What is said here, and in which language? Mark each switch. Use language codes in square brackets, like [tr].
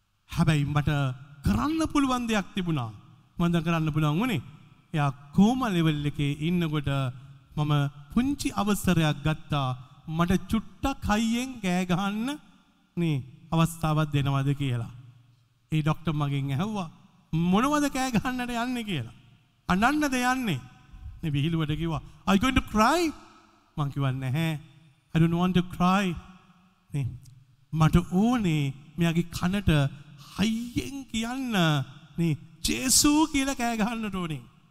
[si] හැබැයි මට කරන්න පුළුවන් දෙයක් තිබුණා. මම දැන් කරන්න පුළුවන් උනේ එයා කෝමා ලෙවල් එකේ ඉන්නකොට මම පුංචි අවස්ථාවක් ගත්තා. මට චුට්ටක් හයියෙන් ගෑ ගහන්න මේ අවස්ථාවක් දෙනවද කියලා. ඒ ડોක්ටර් මගෙන් ඇහුවා මොනවද කෑ ගහන්නට යන්නේ කියලා. අනන්නද යන්නේ? මේ විහිළුවට කිව්වා [en] are you going to cry? [si] මං කිව්වා නැහැ. [en] I don't want to cry. [si] මේ මට ඕනේ මෙයාගේ කනට හයියෙන් කියන්න මේ ජේසු කියලා කෑ ගහන්නට ඕනේ.